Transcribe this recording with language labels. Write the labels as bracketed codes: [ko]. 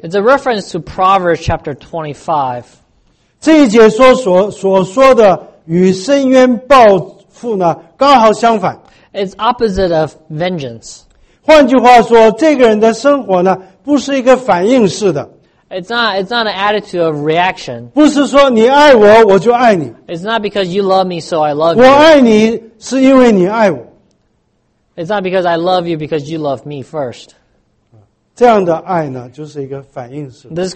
[en] It's a reference to Proverbs chapter 25. [zh] 这一节所说的与伸冤报复呢，刚好相反。 [en] It's opposite of vengeance. [zh] 换句话说，这个人的生活呢，不是一个反应式的。 [en] It's not an attitude of reaction. [zh] 不是说你爱我，我就爱你。 [en] It's not because you love me, so I love you. [zh] 我爱你是因为你爱我。 [en] It's not because I love you, because you love me first. [zh] 这样的爱呢，就是一个反应式的。 [en] This